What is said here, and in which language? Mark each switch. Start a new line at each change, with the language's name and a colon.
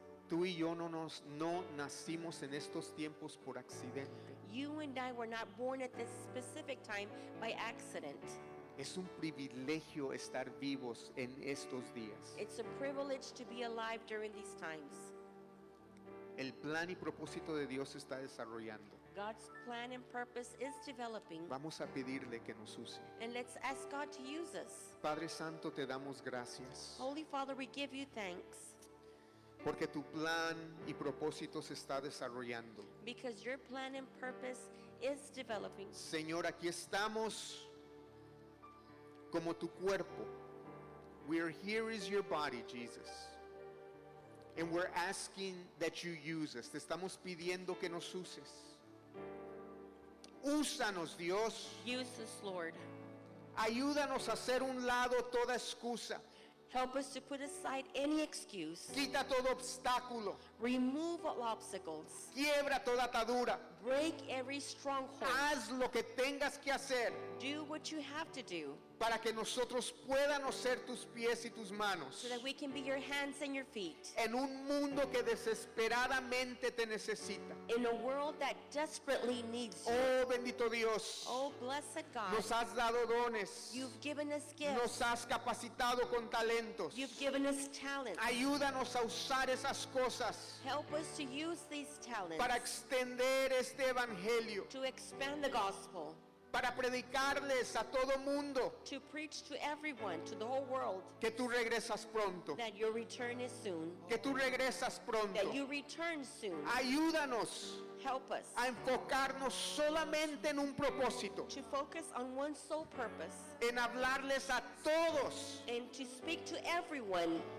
Spanish: Tú y yo no nacimos en estos tiempos por accidente.
English: You and I were not born at this specific time by accident.
Spanish: Es un privilegio estar vivos en estos días.
English: It's a privilege to be alive during these times.
Spanish: El plan y propósito de Dios está desarrollando.
English: God's plan and purpose is developing.
Spanish: Vamos a pedirle que nos use.
English: And let's ask God to use us.
Spanish: Padre Santo, te damos gracias.
English: Holy Father, we give you thanks.
Spanish: Porque tu plan y propósito se está desarrollando.
English: Because your plan and purpose is developing.
Spanish: Señor, aquí estamos como tu cuerpo.
English: We are here as your body, Jesus. And we're asking that you use us.
Spanish: Te estamos pidiendo que nos uses. Úsanos, Dios.
English: Use us, Lord.
Spanish: Ayúdanos a hacer un lado toda excusa.
English: Help us to put aside any excuse.
Spanish: Quita todo obstáculo.
English: Remove all obstacles.
Spanish: Quiebra toda atadura.
English: Break every stronghold.
Spanish: Haz lo que tengas que hacer.
English: Do what you have to do.
Spanish: Para que nosotros puedamos ser tus pies y tus manos.
English: So that we can be your hands and your feet.
Spanish: En un mundo que desesperadamente te necesita.
English: In a world that desperately needs you.
Spanish: Oh, bendito Dios.
English: Oh, blessed God.
Spanish: Nos has dado dones.
English: You've given us gifts.
Spanish: Nos has capacitado con talentos.
English: You've given us talents.
Spanish: Ayúdanos a usar esas cosas.
English: Help us to use these talents.
Spanish: Para extender este evangelio.
English: To expand the gospel.
Spanish: Para predicarles a todo mundo.
English: To preach to everyone, to the whole world.
Spanish: Que tú regresas pronto.
English: That your return is soon.
Spanish: Que tú regresas pronto.
English: That you return soon.
Spanish: Ayúdanos.
English: Help us.
Spanish: A enfocarnos solamente en un propósito.
English: To focus on one sole purpose.
Spanish: En hablarles a todos.
English: And to speak to everyone.